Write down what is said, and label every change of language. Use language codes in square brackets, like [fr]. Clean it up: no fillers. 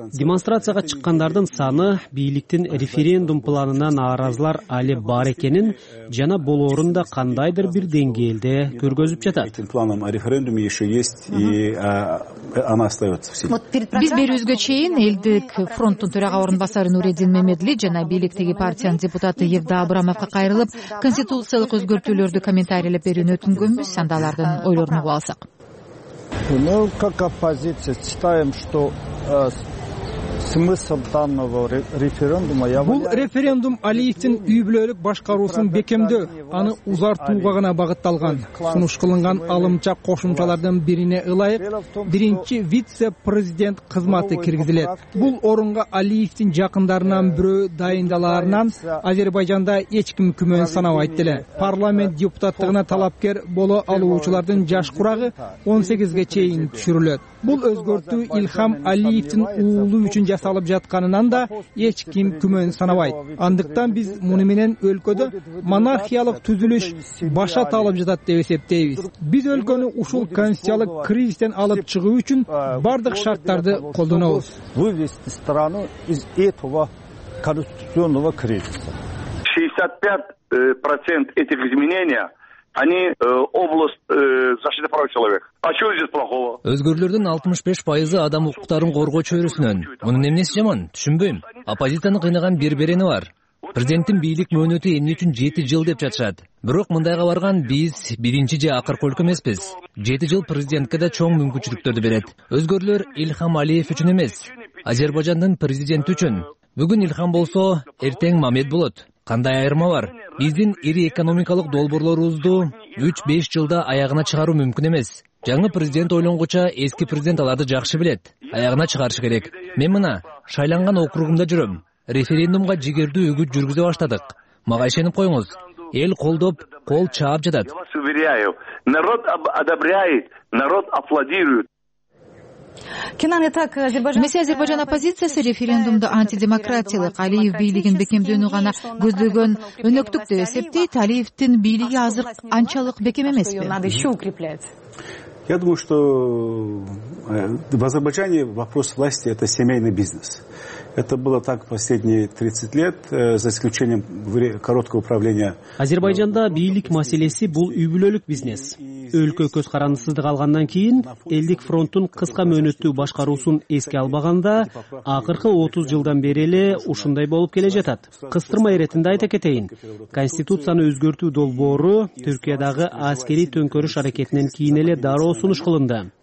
[ky] Демонстрацияга чыккандардын саны бийликтин референдум планына нааразылар али бар экенин жана болоорун да кандайдыр бир деңгээлде көргөзүп жатат. Биз берүүбүзгө чейин элдик фронттун төрага орун басары Нуреддин Мемедли жана бийликтеги партиянын депутаты Евда Абрамовго кайрылып, конституциялык өзгөртүүлөрдү комментарийлеп берүүнү өтүнгөнбүз. Анда алардын ойлорун угуп алсак. [ru] Мы как оппозиция считаем, что смысл данного референдума я [ky] бул референдум Алиевдин үй бүлөлүк башкаруусун бекемдөө, аны узартууга гана багытталган. Сунуш кылынган алымча кошумчалардын бирине ылайык биринчи вице-президент кызматы киргизилет. Бул орунга Алиевдин жакындарынан бирөө дайындаларынан Азербайжанда эч ким күмөн санабайт деле. Парламент депутаттыгына талапкер боло алуучулардын жаш курагы 18 чейин түшүрүлөт. Бул өзгөртүү Илхам Алиевдин уулу үчүн жасалып жатканынан да эч ким күмөн санабайт. Андыктан биз муну менен өлкөдө монархиялык түзүлүш башат алып жатат деп эсептейбиз. Биз өлкөнү ушул конституциялык кризистен алып чыгуу үчүн бардык шарттарды колдонобуз. [ru] Вывести страну из этого конституционного кризиса. 65% этих изменений они область защиты прав человека. А что здесь плохого? [ky] Өзгөрлөрдүн 65% адам укуктарын коргоо чөйрөсүнөн. Мунун эмнеси жаман? Түшүнбөйм. Оппозицияны кыйнаган бир берени бар. Президенттин бийлик мөөнөтү эмне үчүн 7 жыл деп жатышат? Бирок мындайга барган биз биринчи же акыркы өлкө эмеспиз. 7 жыл президентке да чоң мүмкүнчүлүктөрдү берет. Өзгөрлөр Илхам Алиев үчүн эмес, Азербайжандын президенти үчүн. Бүгүн Илхам болсо, эртең Мамед болот. Кандай айырма бар? Биздин ири экономикалык долбоорлорубузду 3-5 жылда аягына чыгаруу мүмкүн эмес. Жаңы президент ойлонгуча эски президент аларды жакшы билет. Аягына чыгарышы керек. Мен мына шайланган округумда жүрөм. Референдумга жигердүү үгүт жүргүзө баштадык. Мага ишенип коюңуз. Эл колдоп, кол чаап жатат. [ru] Народ одобряет, народ аплодирует. [ky] Эмесе Азербайжан оппозициясы референдумду антидемократиялык, Алиев бийлигин бекемдөөнү гана көздөгөн өнөктүк деп эсептейт. Алиевдин бийлиги азыр анчалык бекем эмеспи? [ru] Надо еще укреплять. Я думаю, что в Азербайджане вопрос власти – это семейный бизнес. Это было так последние 30 лет, за исключением короткого правления. [ky] Азербайджанда бийлик маселеси бул үй-бүлөлүк бизнес. Өлкө көз карандысыздык алгандан кийин элдик фронттун кыска мөөнөттүү башкаруусун эске албаганда акыркы 30 жылдан бери эле ушундай болуп келе жатат. Кыстырма иретинде айта кетейин. Конституцияны өзгөртүү долбоору Түркиядагы аскерий төңкөрүш аракетинен кийин эле дароо сунуш кылынды.